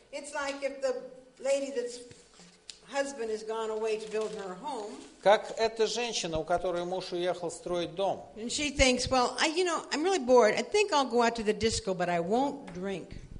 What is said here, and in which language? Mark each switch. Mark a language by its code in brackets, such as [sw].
[en] It's like if the lady that's husband has gone away to build her home. [ru] Как эта женщина, у которой муж уехал строить дом. [en] And she thinks, well, I'm really bored. I think I'll go out to the disco, but I won't drink.